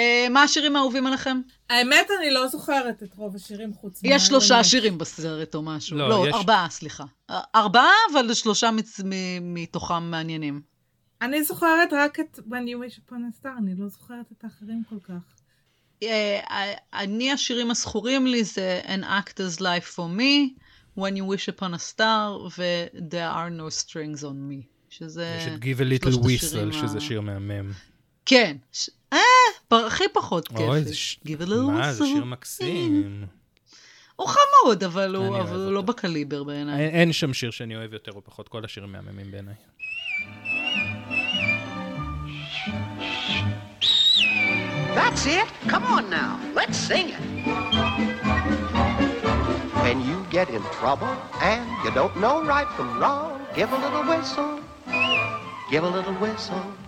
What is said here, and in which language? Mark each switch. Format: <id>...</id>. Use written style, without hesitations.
<he>מה השירים האהובים עליכם? האמת, אני לא זוכרת את רוב השירים חוץ מהם. יש שלושה שירים בסרט או משהו. לא, ארבעה, סליחה. ארבעה, אבל שלושה מתוכם מעניינים. אני זוכרת רק את When You Wish Upon a Star, אני לא זוכרת את האחרים כל כך. אני, השירים הזכורים לי זה An Act as Life for Me, When You Wish Upon a Star, ו-There Are No Strings on Me. שזה... יש את Give a Little Whistle, שזה שיר מהמם. כן, הכי פחות כיפי. מה, זה שיר מקסים. הוא חמוד, אבל הוא לא בקליבר בעיניי. אין שם שיר שאני אוהב יותר, הוא פחות כל השירים מהממים בעיניי.</he> <en>That's it, come on now, let's sing it. When you get in trouble and you don't know right from wrong, give a little whistle, give a little whistle.</en>